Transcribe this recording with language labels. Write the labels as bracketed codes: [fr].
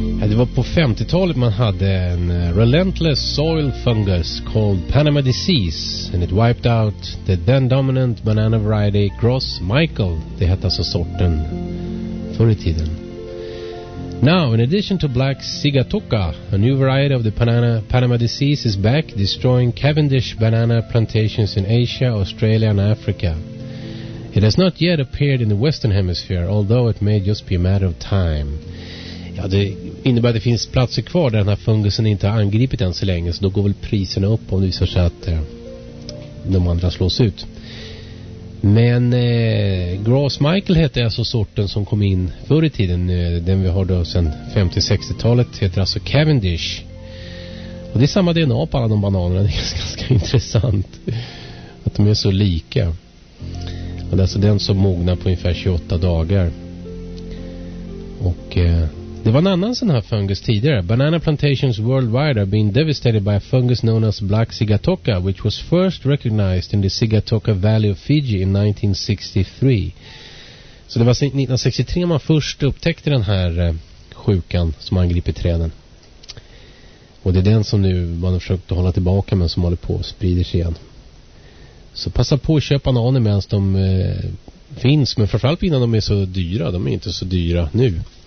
[sv] Det var på 50-talet man hade en [en] relentless soil fungus called Panama disease, and it wiped out the then dominant banana variety Gros Michael. [sv] Det hette alltså sorten förr i tiden. [en] Now, in addition to black Sigatoka, a new variety of the Panama disease is back, destroying Cavendish banana plantations in Asia, Australia and Africa. It has not yet appeared in the Western Hemisphere, although it may just be a matter of time. [sv] Ja, det innebär att det finns platser kvar där den här fungusen inte har angripit än så länge. Så då går väl priserna upp om det visar sig att de andra slås ut. Men Gros Michael heter alltså sorten som kom in förr i tiden. Den vi har då sedan 50-60-talet heter alltså Cavendish. Och det är samma DNA på alla de bananerna. Det är ganska intressant att de är så lika. Och det är alltså den som mognar på ungefär 28 dagar. Och... det var en annan sån här fungus tidigare. [en] Banana plantations worldwide have been devastated by a fungus known as Black Sigatoka, which was first recognized in the Sigatoka Valley of Fiji in 1963. [sv] Så det var 1963 man först upptäckte den här sjukan som angriper träden. Och det är den som nu man har försökt hålla tillbaka, men som håller på och sprider sig igen. Så passa på att köpa bananer medan de finns, men framförallt pinnarna de är så dyra. De är inte så dyra nu.